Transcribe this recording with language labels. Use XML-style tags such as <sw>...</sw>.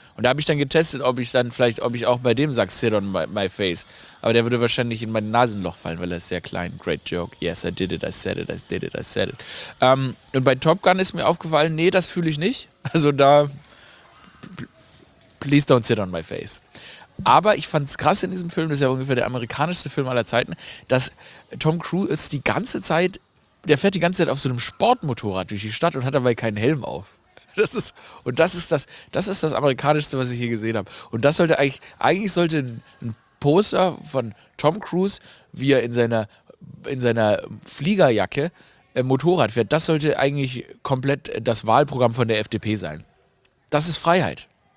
<de>Und da habe ich dann getestet, ob ich auch bei dem sage,</de> <en>sit on my face.</en> <de>Aber der würde wahrscheinlich in mein Nasenloch fallen, weil er ist sehr klein.</de> <en>Great joke. Yes, I did it, I said it, I did it, I said it.</en> <de>Und bei Top Gun ist mir aufgefallen, nee, das fühle ich nicht. Also da,</de> <en>please don't sit on my face.</en> <de>Aber ich fand es krass in diesem Film, das ist ja ungefähr der amerikanischste Film aller Zeiten, dass Tom Cruise die ganze Zeit, der fährt die ganze Zeit auf so einem Sportmotorrad durch die Stadt und hat dabei keinen Helm auf. Das ist das Amerikanischste, was ich hier gesehen habe. Und das sollte eigentlich sollte ein Poster von Tom Cruise, wie er in seiner Fliegerjacke Motorrad fährt, das sollte eigentlich komplett das Wahlprogramm von der FDP sein. Das ist Freiheit.</de>